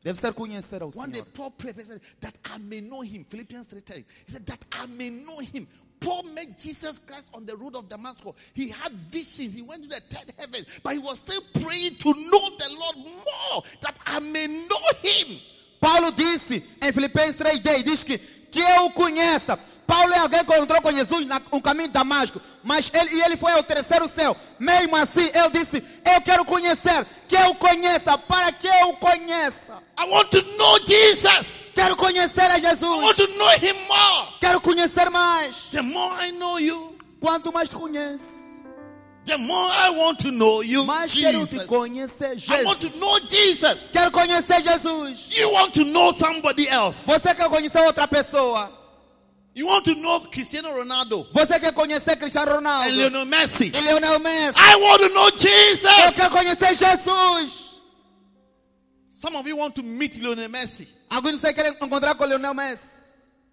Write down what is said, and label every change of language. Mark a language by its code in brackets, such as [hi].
[pt] Deve ser conhecer ao Senhor. [en] One day Paul prayed, said that I may know him. Philippians 3:10. He said that I may know him. Paul met Jesus Christ on the road of Damascus. He had visions. He went to the third heaven, but he was still praying to know the Lord more, that I may know him. [pt] Paulo disse em Filipenses 3:10, diz que eu o conheça. Paulo é alguém que encontrou com Jesus no caminho de Damasco. Mas ele foi ao terceiro céu. Mesmo assim, ele disse: eu quero conhecer. Que eu conheça. Para que eu conheça. [en] I want to know Jesus. [pt] Quero conhecer a Jesus. [en] I want to know him more. [pt] Quero conhecer mais. [en] The more I know you, [pt] quanto mais te conheço. [en] The more I want to know you, [pt] mais Jesus. Quero te conhecer, Jesus. [en] I want to know Jesus. [pt] Quero conhecer Jesus. [en] You want to know somebody else. [pt] Você quer conhecer outra pessoa. [en] You want to know Cristiano Ronaldo. [pt] Você quer conhecer Cristiano Ronaldo. [en] And Lionel Messi. [pt] E Lionel Messi. [en] I want to know Jesus. [pt] Eu quero conhecer Jesus. [en] Some of you want to meet Lionel Messi. [pt] Alguns de vocês querem encontrar com Lionel Messi.